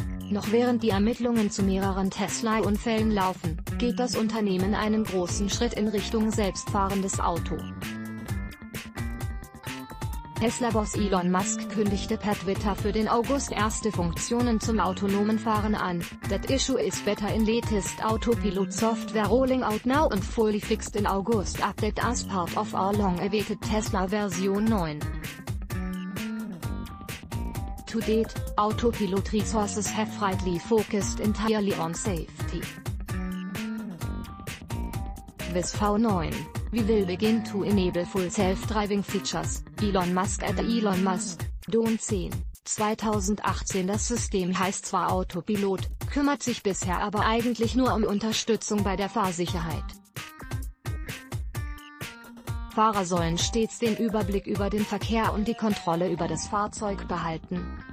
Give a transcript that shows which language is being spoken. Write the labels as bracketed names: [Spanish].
[German] Noch während die Ermittlungen zu mehreren Tesla-Unfällen laufen, geht das Unternehmen einen großen Schritt in Richtung selbstfahrendes Auto. Tesla-Boss Elon Musk kündigte per Twitter für den August erste Funktionen zum autonomen Fahren an. [English] That issue is better in latest autopilot software rolling out now and fully fixed in August update as part of our long-awaited Tesla Version 9. To date, autopilot resources have rightly focused entirely on safety. With V9. We will begin to enable full self-driving features, Elon Musk at Elon Musk, Don 10, 2018. [German] Das System heißt zwar Autopilot, kümmert sich bisher aber eigentlich nur um Unterstützung bei der Fahrsicherheit. Fahrer sollen stets den Überblick über den Verkehr und die Kontrolle über das Fahrzeug behalten.